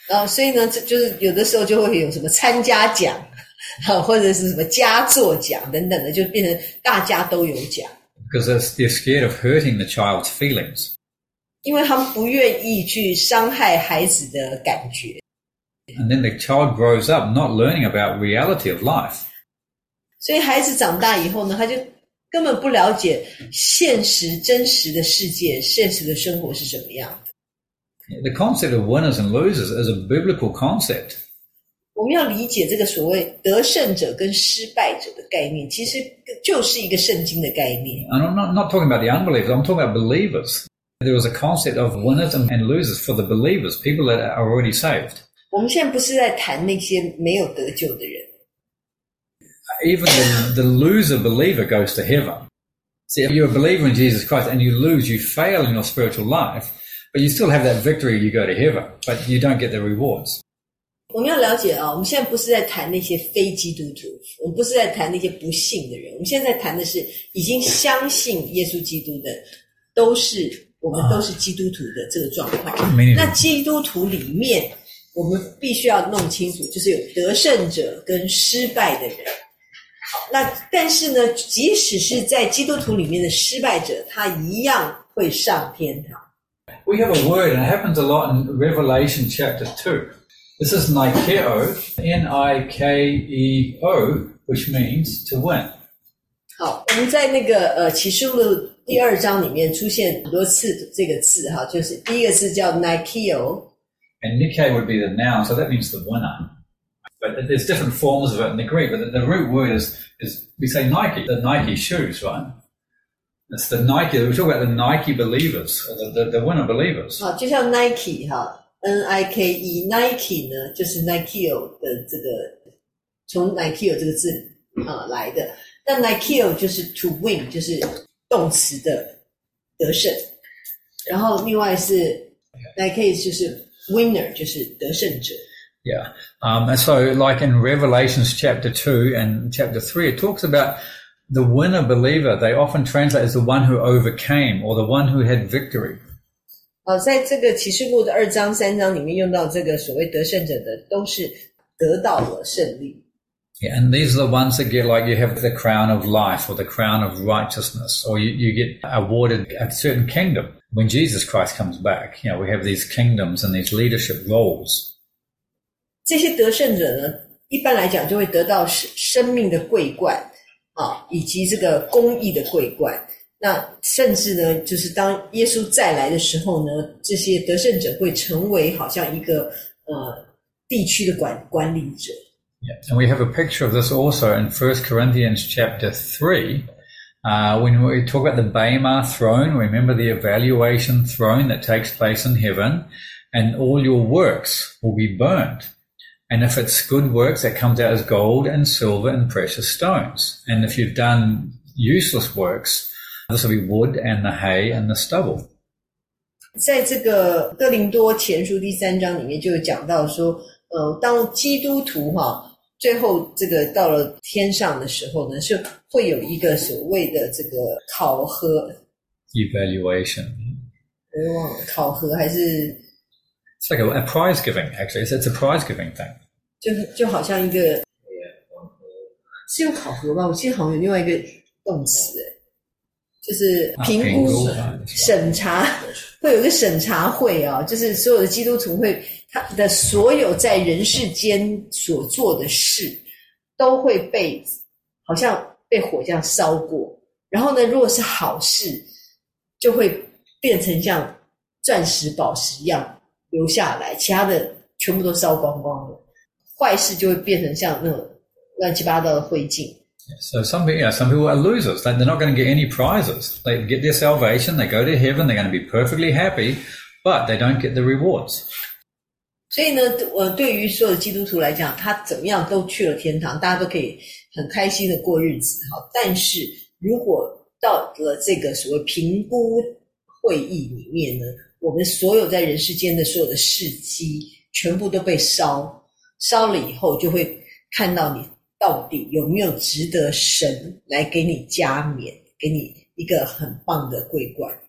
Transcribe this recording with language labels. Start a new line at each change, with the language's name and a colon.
Chinese: 所以呢，就是有的时候就会有什么参加奖，或者是什么佳作奖等等的，就变成大家都有奖。
English: Because they're scared of hurting the child's feelings.
Chinese: 因为他们不愿意去伤害孩子的感觉。
English: And then the child grows up not learning about reality of life.
Chinese: 所以孩子长大以后呢，他就根本不了解现实真实的世界，现实的生活是怎么样的。
English: The concept of winners and losers is a biblical concept.
Chinese: 我们要理解这个所谓得胜者跟失败者的概念，其实就是一个圣经的概念。
English: And I'm not talking about the unbelievers, I'm talking about believers. There was a concept of winners and losers for the believers, people that are already saved.
Chinese: 我们现在不是在谈那些没有得救的人。
English: Even the loser believer goes to heaven. See, if you're a believer in Jesus Christ and you lose, you fail in your spiritual life, but you still have that victory, you go to heaven, but you don't get the rewards.
Chinese: 我们要了解啊，我们现在不是在谈那些非基督徒，我们不是在谈那些不信的人，我们现在谈的是已经相信耶稣基督的，都是我们都是基督徒的这个状况。那基督徒里面我们必须要弄清楚，就是有得胜者跟失败的人。好，那但是呢，即使是在基督徒里面的失败者，他一样会上天堂。
English: We have a word, and it happens a lot in Revelation chapter 2. This is Nikeo, N-I-K-E-O, which means to win.
Chinese: 好，我们在那个启示录第二章里面出现很多次这个字哈，就是第一个字叫 Nikeo。
English: And Nikkei would be the noun, so that means the winner. But there's different forms of it in the Greek, but the root word is we say Nike, the Nike shoes, right? It's the Nike, we talk about the Nike believers, the winner believers.
Chinese: 好，就像 Nike, N-I-K-E, Nike 呢，就是 Nikeo 的这个，从 Nikeo 这个字来的。那 Nikeo 就是
English: to win,
Chinese: 就是动词的得胜。然后另外是 Nike 就是Winner, 就是得胜者。
English: Yeah. So like in Revelations chapter 2 and chapter 3, it talks about the winner believer. They often translate as the one who overcame or the one who had victory.
Chinese: 在这个启示录的二章三章里面用到这个所谓得胜者的都是得到了胜利。
English: Yeah, and these are the ones that get like you have the crown of life or the crown of righteousness or you get awarded a certain kingdom. When Jesus Christ comes back, you know, we have these kingdoms and these leadership roles.
Chinese: 这些得胜者呢，一般来讲就会得到生命的桂冠啊，以及这个公义的桂冠。那甚至呢，就是当耶稣再来的时候呢，这些得胜者会成为好像一个地区的管理者。
English: Yeah, and we have a picture of this also in 1 Corinthians chapter 3. When we talk about the Bema throne, remember the evaluation throne that takes place in heaven, and all your works will be burnt. And if it's good works, that comes out as gold and silver and precious stones. And if you've done useless works, this will be wood and the hay and the stubble.
Chinese: 在这个哥林多前书第三章里面就讲到说，当基督徒哈，最后这个到了天上的时候呢，是会有一个所谓的这个考核
English: ，evaluation，
Chinese: 考核还是
English: ？It's like a prize giving, actually. It's a prize giving thing.
Chinese: 就好像一个，是用考核吧？我记得好像有另外一个动词，就是评估、审查，会有一个审查会啊，就是所有的基督徒会。他的所有在人世间所做的事都会被好像被火这样烧过，然后呢如果是好事就会变成像钻石宝石一样留下来，其他的全部都烧光光了，坏事就会变成像那种乱七八糟的灰烬。
English: So some people are losers. They're not going to get any prizes. They get their salvation, they go to heaven, they're going to be perfectly happy, but they don't get the rewards.
Chinese: 所以呢，对于所有基督徒来讲，他怎么样都去了天堂，大家都可以很开心的过日子。好，但是如果到了这个所谓评估会议里面呢，我们所有在人世间的所有的事迹全部都被烧了以后，就会看到你到底有没有值得神来给你加冕，给你一个很棒的桂冠。